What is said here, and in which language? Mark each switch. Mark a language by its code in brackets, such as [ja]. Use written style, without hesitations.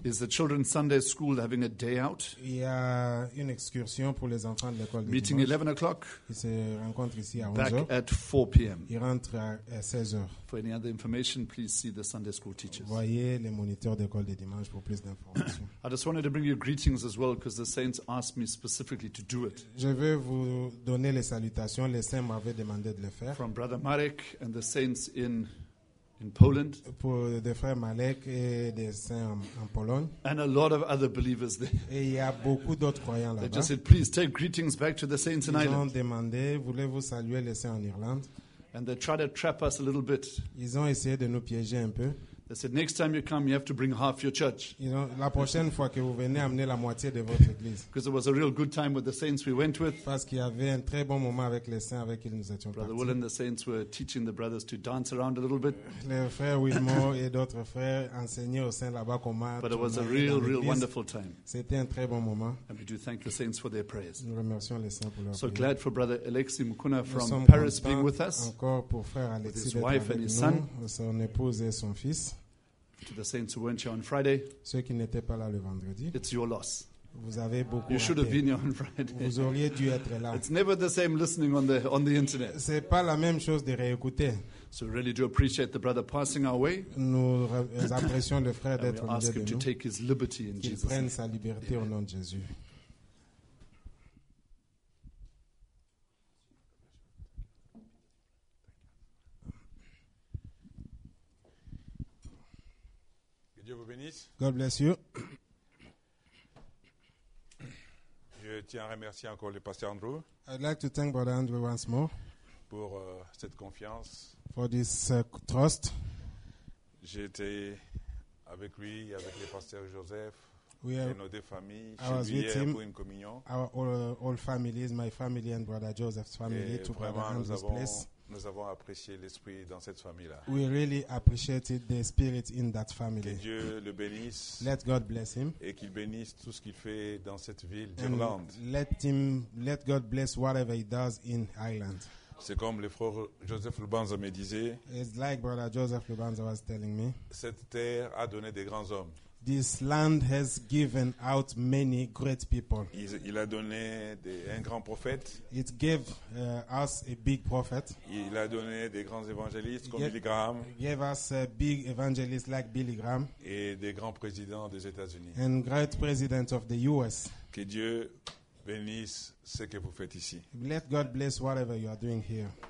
[en] is the Children's Sunday School having a day out. [fr] Il y a une excursion pour les enfants de l'école de [en] meeting [fr] dimanche. [en] 11 o'clock. [fr] Ils se rencontrent ici à 11 heures. [en] Back at 4 p.m. [fr] Ils rentrent à 16 heures. [en] For any other information, please see the Sunday School teachers. [fr] Voyez les moniteurs d'école de dimanche pour plus d'informations. [en] I just wanted to bring you greetings as well because the saints asked me specifically to do it. [fr] Je vais vous donner les salutations. Les saints m'avaient demandé de le faire. [en] From Brother Marek and the saints in Poland, [fr] pour des frères Malek et des saints en Pologne, [en] and a lot of other believers there. [fr] Et il y a beaucoup d'autres croyants là-bas. [en] They just said, "Please take greetings back to the saints in Ireland." [fr] Ils ont demandé, voulez-vous saluer les saints en Irlande? [en] And they tried to trap us a little bit. [fr] Ils ont essayé de nous piéger un peu. [en] They said, "Next time you come, you have to bring half your church." You know, [fr] la prochaine fois que vous venez, amenez la moitié de votre église. [en] Because it was a real good time with the saints we went with. [fr] Parce qu'il y avait un très bon moment avec les saints avec qui nous étions partis. [en] Brother Will and the saints were teaching the brothers to dance around a little bit. [fr] Les frères Wilmore et d'autres frères enseignaient aux saints là-bas comment. [en] But it was a real, real wonderful time. [fr] C'était un très bon moment. [en] And we do thank the saints for their prayers. [fr] Nous remercions les saints pour leur prière. [en] So glad for Brother Alexis Mukuna from [fr] nous [en] Paris being with us. [fr] Encore pour frère Alexis [en] with his wife and his son. [fr] Son épouse et son fils. [en] To the saints who weren't here on Friday, [fr] ceux qui n'étaient pas là le vendredi, [en] it's your loss. [fr] Vous avez beaucoup [en] you should [fr] raté. [en] Have been here on Friday. [fr] Vous auriez dû être là. [en] It's never the same listening on the internet. [fr] C'est pas la même chose de réécouter. [en] So we really do appreciate the brother passing our way. [fr] Nous apprécions le frère d'être au milieu de nous. [en] We ask him to take his liberty in Jesus. [fr] Qu'il prenne sa liberté au nom de Jésus. Que Dieu vous bénisse. [en] God bless you. [fr] Je tiens à remercier encore le pasteur Andrew. [en] I'd like to thank Brother Andrew once more [fr] pour cette confiance. [en] For this trust. [fr] J'étais avec lui, avec le pasteur Joseph et nos deux familles. [en] I was with him. [fr] Pour une communion. [en] Our all families, my family and Brother Joseph's family, [fr] et [en] to Brother Andrew's place. [fr] Nous avons apprécié l'esprit dans cette famille-là. [en] We really appreciated the spirit in that family. [fr] Que Dieu le bénisse. [en] Let God bless him. [fr] Et qu'il bénisse tout ce qu'il fait dans cette ville d'Irlande. [en] Let God bless whatever he does in Ireland. [fr] C'est comme le frère Joseph Lubanza me disait. [en] It's like Brother Joseph Lubanza was telling me. [fr] Cette terre a donné des grands hommes. [en] This land has given out many great people. [fr] Il a donné un grand prophète. [en] It gave us a big prophet. [fr] Il a donné des grands évangélistes comme Billy Graham. [en] Gave us a big evangelist like Billy Graham. [fr] Et des grands présidents des États-Unis. [en] And great president of the U.S. [fr] Que Dieu bénisse ce que vous faites ici. [en] Let God bless whatever you are doing here.